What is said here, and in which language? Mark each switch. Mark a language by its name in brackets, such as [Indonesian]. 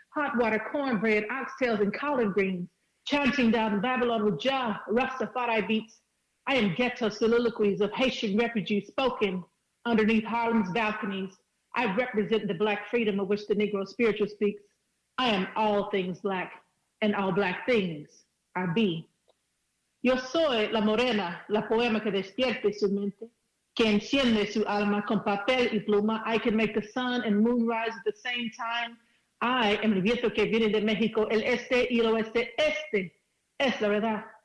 [English] Hot water, cornbread, oxtails, and collard greens. Chanting down Babylon with Jah, Rastafari beats. I am ghetto soliloquies of Haitian refugees spoken underneath Harlem's balconies. I represent the black freedom of which the Negro spiritual speaks. I am all things black, and all black things are be. [Spanish] Yo soy la morena, la poema que despierte su mente, que enciende su alma con papel y pluma. [English] I can make the sun and moon rise at the same time. I am [Spanish] el viento que viene de México, el este y el oeste, este es la verdad.